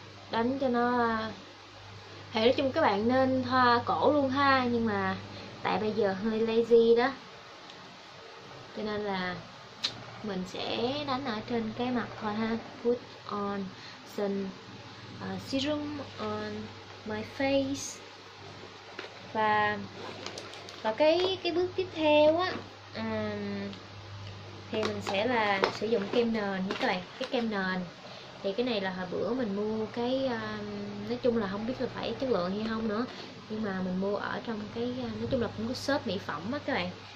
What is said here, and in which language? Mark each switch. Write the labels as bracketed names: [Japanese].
[Vietnamese] Đánh cho nó thì nói chung các bạn nên thoa cổ luôn ha, nhưng mà tại bây giờ hơi lazy đó cho nên là mình sẽ đánh ở trên cái mặt thôi ha. [English] Put on sun serum on my face. [Vietnamese] Và cái bước tiếp theo á, thì mình sẽ là sử dụng kem nền nha các bạn. Cái kem nền thì cái này là hồi bữa mình mua cái nói chung là không biết là phải chất lượng hay không nữa, nhưng mà mình mua ở trong cái nói chung là cũng có shop mỹ phẩm á các bạn.